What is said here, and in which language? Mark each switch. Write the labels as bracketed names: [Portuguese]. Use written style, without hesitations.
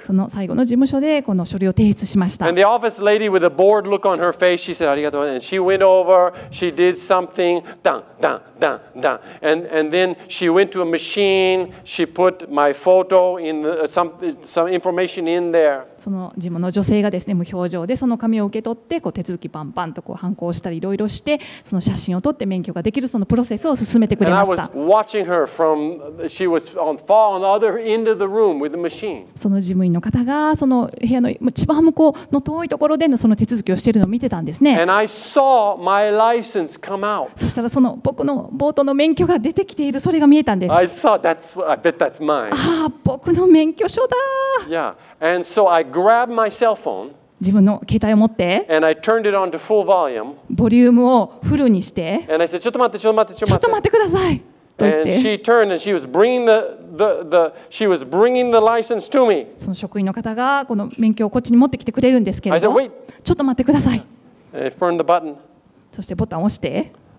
[Japanese] その最後の事務所でこの書類を提出しました。 [English] And the office lady with a bored look on her face, she said, [Japanese] ありがとう。 [English] And she went over, she did something, done. And then she went to a machine. She put my photo in the, some information in there. [Japanese] その事務の女性がですね、無表情でその紙を受け取って、こう手続きバンバンとこう判子をしたりいろいろして、その写真を撮って免許ができるそのプロセスを進めてくれました。 [English] And I was watching her from she was on far on the other end of the room with the machine. [Japanese] その事務員の方がその部屋の一番向こうの遠いところでのその手続きをしているのを見てたんですね。 [English] And I saw my license come out. [Japanese] そしたらその僕このボートの免許が出てきている、それが見えたんです。 [English] I saw that's, I bet that's mine. [Japanese] ああ、僕の免許証だ。 [English] Yeah. And so I grabbed my cell phone, [Japanese] 自分の携帯を持って、 [English] and I turned it on to full volume, [Japanese] ボリュームをフルにして、 [English] and I said, [Japanese] ちょっと待ってください。 [English] And she turned and she was bringing she was bringing the license to me. [Japanese] その職員の方がこの免許をこっちに持ってきてくれるんですけれど、 [English] I said, wait. [Japanese] ちょっと待ってください。 [English] And I turned the button. [Japanese] そしてボタンを押して、